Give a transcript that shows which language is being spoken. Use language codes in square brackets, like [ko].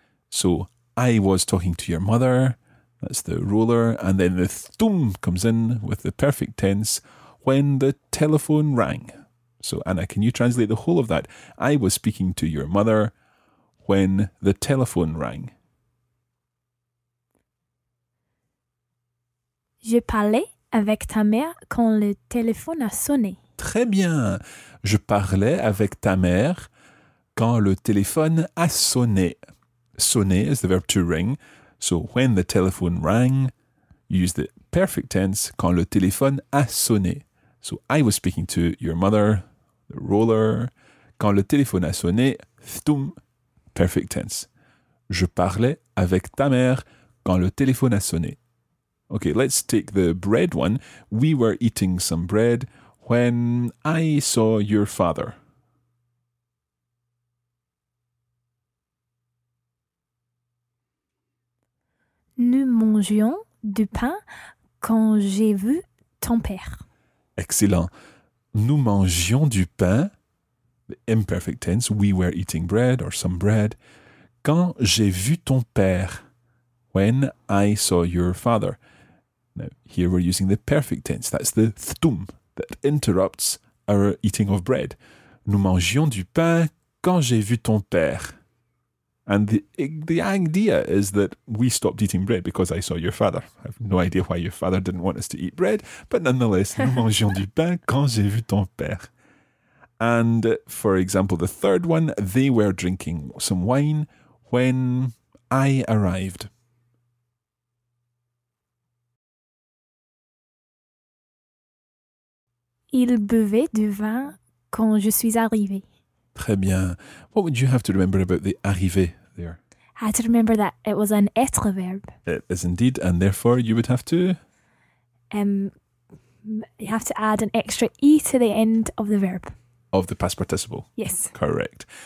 [en] So, I was talking to your mother, that's the roller, and then the thum comes in with the perfect tense when the telephone rang. So, Anna, can you translate the whole of that? I was speaking to your mother when the telephone rang. [fr] Je parlais avec ta mère quand le téléphone a sonné. Très bien. Je parlais avec ta mère quand le téléphone a sonné. [en] Sonné is the verb to ring. So when the telephone rang, you use the perfect tense, [fr] quand le téléphone a sonné. [en] So I was speaking to your mother, the roller. [fr] Quand le téléphone a sonné, thum, [en] perfect tense. [fr] Je parlais avec ta mère quand le téléphone a sonné. [en] Okay, let's take the bread one. We were eating some bread when I saw your father. [fr] Nous mangeions du pain quand j'ai vu ton père. [en] Excellent. [fr] Nous mangions du pain, [en] imperfect tense, we were eating bread or some bread, [fr] quand j'ai vu ton père, [en] when I saw your father. Now, here we're using the perfect tense, that's the thtum that interrupts our eating of bread. [fr] Nous mangions du pain quand j'ai vu ton père. [en] And the idea is that we stopped eating bread because I saw your father. I have no idea why your father didn't want us to eat bread, but nonetheless, [fr] nous mangions du pain quand j'ai vu ton père. [en] And for example, the third one, they were drinking some wine when I arrived. [fr] Ils buvaient du vin quand je suis arrivée. Très bien. [en] What would you have to remember about the arriver there? I had to remember that it was an être verb. It is indeed, and therefore you would have to? You have to add an extra e to the end of the verb. Of the past participle. Yes. Correct.